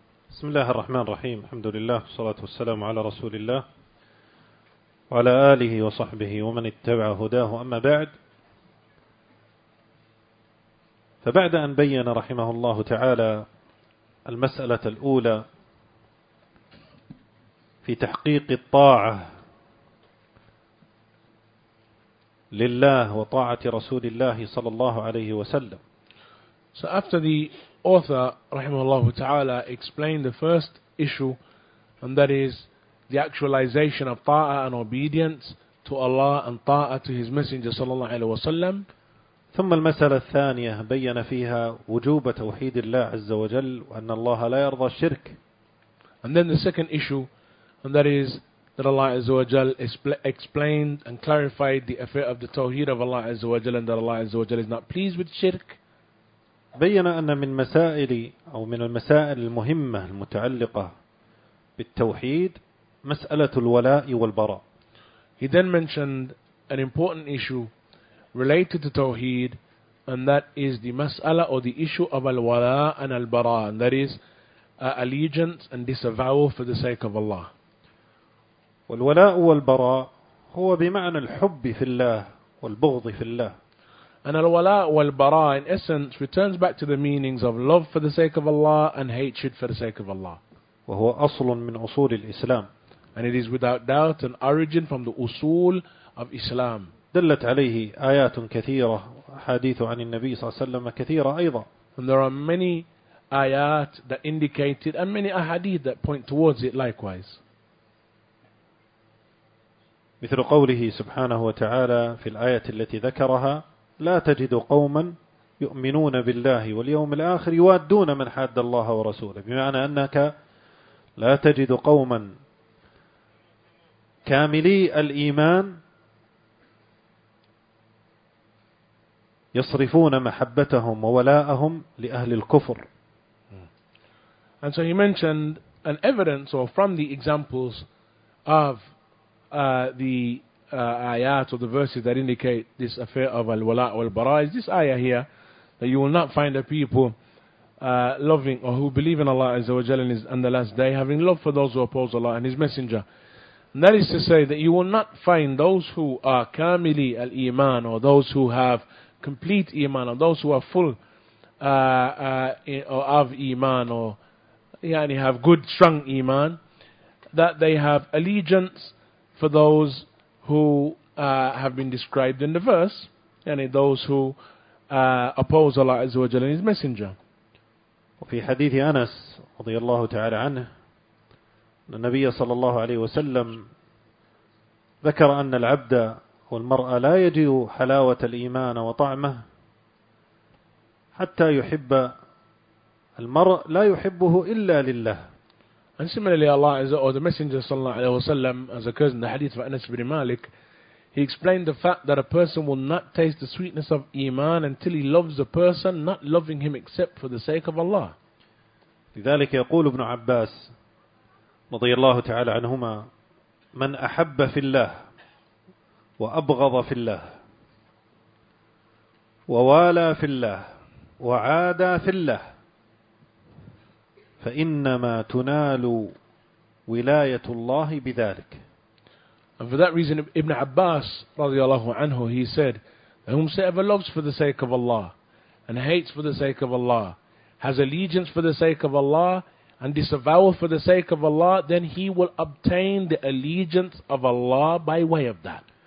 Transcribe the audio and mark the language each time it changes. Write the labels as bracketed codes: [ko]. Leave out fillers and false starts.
[ar] بسم الله الرحمن الرحيم، الحمد لله والصلاة والسلام على رسول الله وعلى آله وصحبه ومن اتبع هداه، أما بعد، فبعد أن بين رحمه الله تعالى المسألة الأولى في تحقيق الطاعة لله وطاعة رسول الله صلى الله عليه وسلم. [en] So after the author رحمه الله تعالى explained the first issue, and that is the actualization of ta'a and obedience to Allah and ta'a to His Messenger صلى الله عليه وسلم. [ar] ثم المسألة الثانية بين فيها وجوب توحيد الله عز وجل وأن الله لا يرضى الشرك. [en] And then the second issue, and that is that Allah عز وجل explained and clarified the affair of the tawheed of Allah عز وجل, and that Allah عز وجل is not pleased with shirk. [ar] بين أن من مسائل أو من المسائل المهمة المتعلقة بالتوحيد مسألة الولاء والبراء. [en] He then mentioned an important issue related to tawheed, and that is the مسألة or the issue of الولاء and البراء, and that is allegiance and disavowal for the sake of Allah. [ar] والولاء والبراء هو بمعنى الحب في الله والبغض في الله. [en] And الولاء والبراء in essence returns back to the meanings of love for the sake of Allah and hatred for the sake of Allah. [ar] وهو أصل من أصول الإسلام. [en] And it is without doubt an origin from the أصول of Islam. [ar] دلت عليه آيات كثيرة، حديث عن النبي صلى الله عليه وسلم كثيرة أيضا. [en] And there are many آيات that indicate it and many أحاديث that point towards it likewise. [ar] مثل قوله سبحانه وتعالى في الآية التي ذكرها: لا تجد قوما يؤمنون بالله واليوم الآخر يوادون من حاد الله ورسوله، بمعنى أنك لا تجد قوما كاملي الإيمان يصرفون محبتهم وولاءهم لأهل الكفر. [en] And so he mentioned an evidence or from the examples of the ayat or the verses that indicate this affair of al-wala wal-bara is this ayah here, that you will not find a people loving or who believe in Allah Azza wa Jalla and the last day having love for those who oppose Allah and His Messenger. And that is to say that you will not find those who are kamili al-iman, or those who have complete iman, or those who are full of iman, or yani have good strong iman, that they have allegiance for those who have been described in the verse, yani those who oppose Allah Azza wa Jalla and His Messenger. [ar] وفي حديث أنس رضي الله تعالى عنه أن النبي صلى الله عليه وسلم ذكر أن العبد والمرأة لا يجد حلاوة الإيمان وطعمه حتى يحب المرء لا يحبه إلا لله. [en] And similarly, Allah Azza, or the Messenger sallallahu alayhi wa sallam, as occurs in the hadith of Anas ibn Malik, he explained the fact that a person will not taste the sweetness of iman until he loves a person, not loving him except for the sake of Allah. [ar] لذلك يقول ابن عباس رضي الله تعالى عنهما: من أحب في الله وأبغض في الله ووالى في الله وعادى في الله فإنما تنال ولاية الله بذلك. [en] And for that reason, Ibn Abbas رضي الله عنه, he said, whomsoever loves for the sake of Allah and hates for the sake of Allah, has allegiance for the sake of Allah and disavowal for the sake of Allah, then he will obtain the allegiance of Allah by way of that.